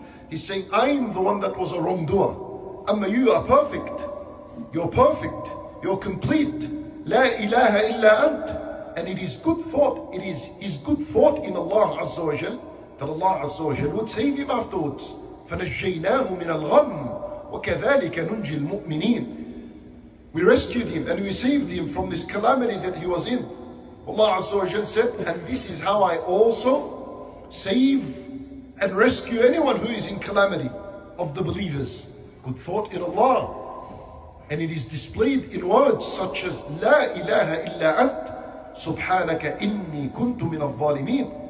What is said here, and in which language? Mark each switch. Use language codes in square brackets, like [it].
[en] He's saying, I'm the one that was a wrongdoer. أما you are perfect. You're perfect. You're complete. [ar] لا إله إلا أنت. [en] And it is good thought. It is his good thought in Allah Azza wa Jal that Allah Azza wa Jal would save him afterwards. [ar] فنجيناه من الغم وكذلك ننجي المؤمنين. [en] We rescued him and we saved him from this calamity that he was in. Allah Azza wa Jal said, and this is how I also save and rescue anyone who is in calamity of the believers. Good thought in Allah. And it is displayed in words such as, [ar] La ilaha illa ant, subhanaka inni kuntu min al-zalimeen.